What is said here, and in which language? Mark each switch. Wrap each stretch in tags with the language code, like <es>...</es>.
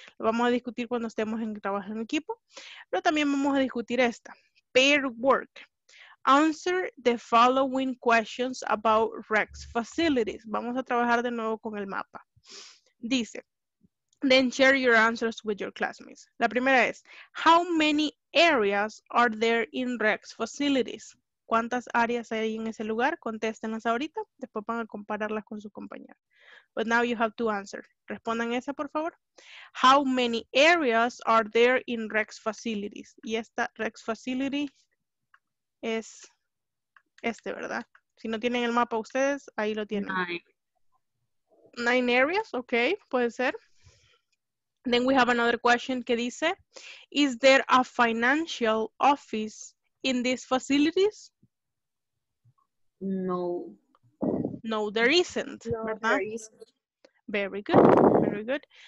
<es>Lo vamos a discutir cuando estemos en trabajo en equipo, pero también vamos a discutir esta.</es> <en>Pair work. Answer the following questions about Rex facilities.</en> <es>Vamos a trabajar de nuevo con el mapa.</es> <en>Dice, then share your answers with your classmates.</en> <es>La primera es,</es> <en>how many areas are there in Rex facilities?</en> <es>¿Cuántas áreas hay en ese lugar? Contéstenlas ahorita. Después van a compararlas con su compañera.</es> <en>But now you have to answer.</en> <es>Respondan esa, por favor.</es> <en>How many areas are there in Rex facilities?</en> <es>Y esta Rex facility es este, ¿verdad? Si no tienen el mapa ustedes, ahí lo tienen.</es> <en>Nine</en> <es>areas, ok, puede ser.</es> <en>Then we have another question</en> <es>que dice,</es> <en>is there a financial office in these facilities? No. No, there isn't. No, there isn't. Very good. Very good.</en>